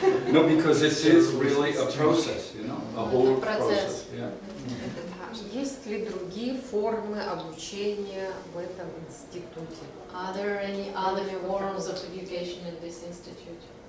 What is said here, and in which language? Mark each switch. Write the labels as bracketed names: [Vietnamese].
[English] No, because it is really a process, you know, a whole process. [Russian] Есть ли другие формы обучения в этом институте? [English] Are there any other forms of education in this institute?